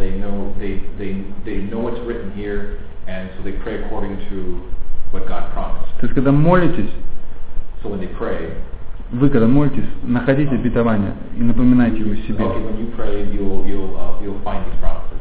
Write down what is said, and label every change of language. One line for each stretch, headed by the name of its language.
English: They know it's written here, and so they pray according to what God promised.
Russian: То есть когда молитесь,
English: so when they pray,
Russian: вы когда молитесь, находите обетование и напоминайте его себе.
English: Okay, when you pray, you'll find these promises.